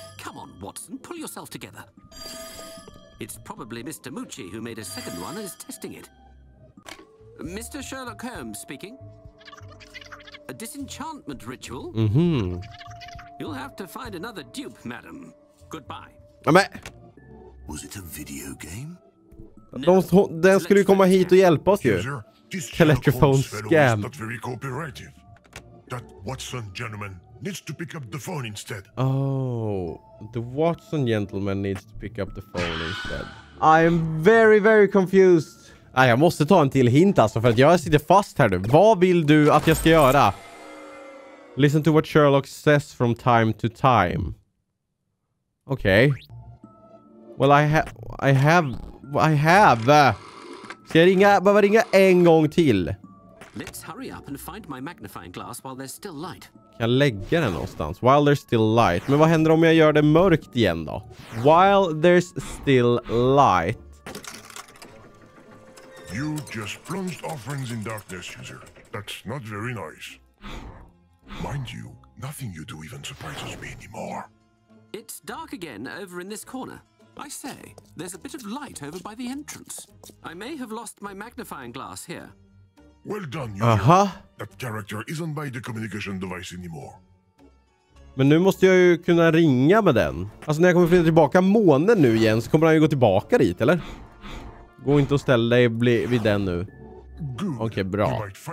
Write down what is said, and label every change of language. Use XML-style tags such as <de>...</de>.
<en>Come on, Watson, pull yourself together. It's probably Mr. Mucci who made a second one and is testing it. Mr. Sherlock Holmes speaking. A disenchantment ritual? Mm-hmm. You'll have to find another dupe, madam. Goodbye.</en> <sv>Ja, men...</sv> <en>Was it a video game?</en> <sv>Den skulle ju komma hit och hjälpa oss ju.</sv> <en>This telephone scam is not very cooperative. That Watson gentleman needs to pick up the phone instead. Oh, the Watson gentleman needs to pick up the phone instead. I am very, very confused.</en> <sv>Nej, jag måste ta en till hint alltså, för att jag sitter fast här nu. Vad vill du att jag ska göra?</sv> <en>Listen to what Sherlock says from time to time. Okej. Okay. Well, I have.</en> <sv>Ska jag behöva ringa en gång till?</sv> <en>Let's hurry up and find my magnifying glass while there's still light.</en> <sv>Kan jag lägga den någonstans?</sv> <en>While there's still light.</en> <sv>Men vad händer om jag gör det mörkt igen då?</sv> <en>While there's still light. You just plunged offerings in darkness, user. That's not very nice. Mind you, nothing you do even surprises me anymore. It's dark again over in this corner. I say, there's a bit of light over by the entrance. I may have lost my magnifying glass here. Well done, you. Uh-huh. That character isn't by the communication device anymore.</en> <sv>Men nu måste jag ju kunna ringa med den. Alltså när jag kommer flytta tillbaka månen nu igen så kommer han ju gå tillbaka dit, eller? Gå inte och ställ dig vid den nu. Okej, bra.</sv>